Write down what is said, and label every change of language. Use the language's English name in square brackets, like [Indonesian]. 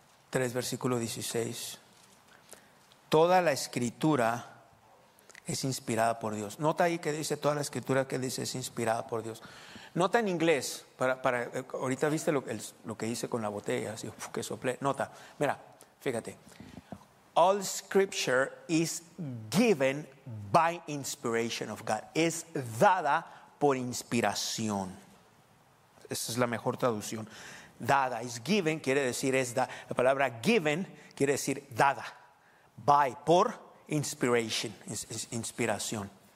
[Spanish] 3, versículo 16. Toda la escritura es inspirada por Dios. Nota ahí que dice toda la escritura, que dice es inspirada por Dios. Nota en inglés, para ahorita viste lo que hice con la botella, así que soplé. Nota, mira, fíjate. [English] All scripture is given by inspiration of God. [Spanish] Es dada por inspiración. Esa es la mejor traducción. Dada, is given, quiere decir es da. La palabra given quiere decir dada. By, por inspiration, es inspiración.